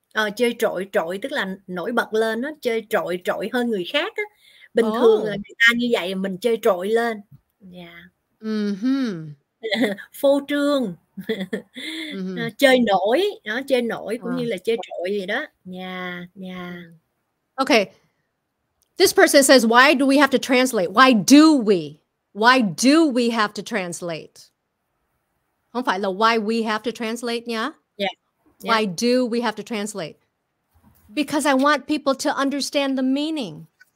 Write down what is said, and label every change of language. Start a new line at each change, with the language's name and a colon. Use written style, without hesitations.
Vietnamese: Chơi trội tức là nổi bật lên á, chơi trội hơn người khác á. Bình thường là người ta như vậy mình chơi trội lên.
English: Yeah. Mm-hmm.
Vietnamese: Phô trương. Chơi nổi, đó chơi nổi cũng như là chơi trội vậy đó.
English: Yeah, yeah. Okay. This person says, why do we have to translate? Why do we have to translate?
Vietnamese: Không phải là
English: why we have to translate
Vietnamese: nha?
English: Yeah. Why do we have to translate? Because I want people to understand the meaning.